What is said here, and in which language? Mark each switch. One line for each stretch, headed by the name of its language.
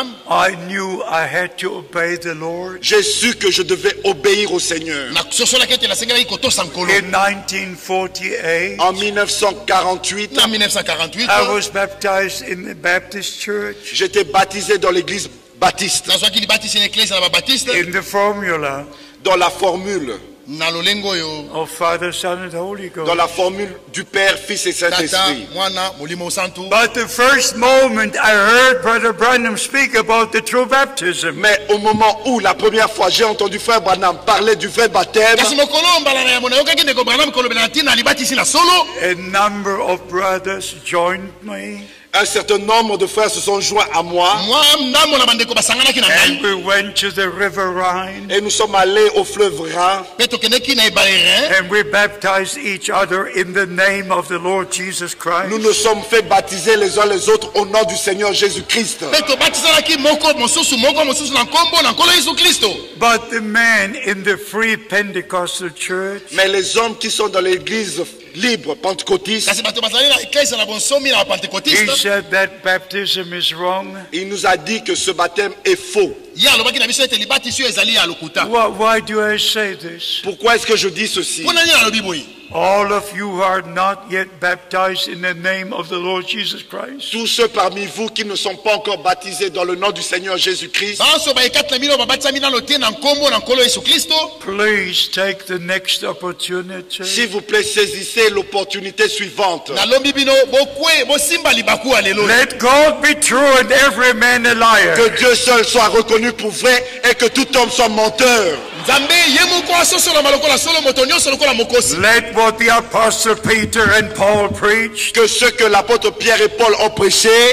English: I knew I had to obey the Lord.
French: J'ai su que je devais obéir au Seigneur.
English: In 1948, I was baptized in the Baptist church.
French: J'étais baptisé dans l'église Baptiste.
English: In the formula.
French: Dans la formule.
English: Of Father, Son, and Holy Ghost.
French: Dans la formule du Père, Fils et Saint-Esprit.
English: But the first moment I heard Brother Branham speak about the true baptism.
French: Mais au moment où la première fois j'ai entendu Frère Branham parler du vrai baptême.
English: A number of brothers joined me.
French: Un certain nombre de frères se sont joints à moi.
English: And we went to the River Rhine.
French: Et nous sommes allés au fleuve Rhin.
English: And we baptized each other in the name of the Lord Jesus Christ.
French: Nous nous sommes fait baptiser les uns les autres au nom du Seigneur Jésus Christ.
English: But the men in the Free Pentecostal Church.
French: Mais les hommes qui sont dans l'église libre pentecôtiste.
English: He said that baptism is wrong.
French: Il nous a dit que ce baptême est faux.
English: Why do I say this?
French: Pourquoi est-ce que je dis ceci?
English: All of you who are not yet baptized in the name of the Lord Jesus Christ.
French: Tous ceux parmi vous qui ne sont pas encore baptisés dans le nom du Seigneur Jésus Christ.
English: Please take the next opportunity.
French: S'il vous plaît, saisissez l'opportunité suivante.
English: Let God be true and every man a liar.
French: Que Dieu seul soit reconnu pour vrai et que tout homme soit menteur.
English: Let what the apostle Peter and Paul preach.
French: Que ce que l'apôtre Pierre et Paul ont prêché.